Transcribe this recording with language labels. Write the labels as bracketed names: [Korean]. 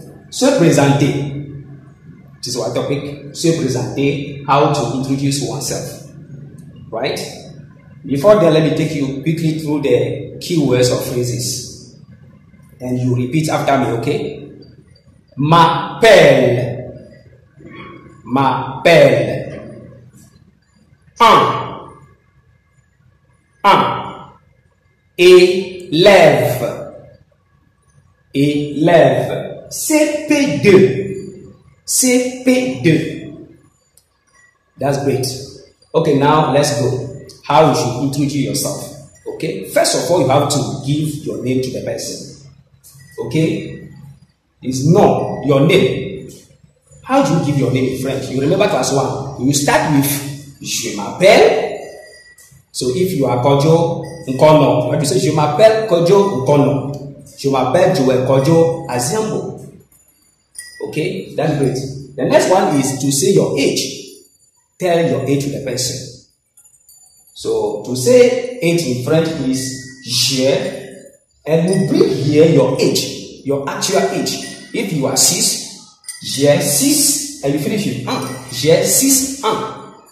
[French] Se présenter, [English] this is our topic. [French] Se présenter, [English] how to introduce oneself. Right? Before that, let me take you quickly through the keywords or phrases. And you repeat after me, okay? [French] M'appelle, m'appelle, un, élève, élève, CP2, CP2. [English] That's great. Okay, now let's go. How you should introduce yourself? Okay, first of all, you have to give your name to the person. Okay. Is not your name. How do you give your name in French? You remember class one. You start with [French] je m'appelle. [English] So if you are Kojo Nkono, what you say? [French] Je m'appelle Kojo Nkono. Je m'appelle Joel Kojo AZIAMBO. [English] Okay, that's great. The next one is to say your age. Tell your age to the person. So to say age in French is je, and you bring here your age, your actual age. If you are 6, [French] j'ai 6, [English] and you finish with 1, [French] j'ai 6, 1.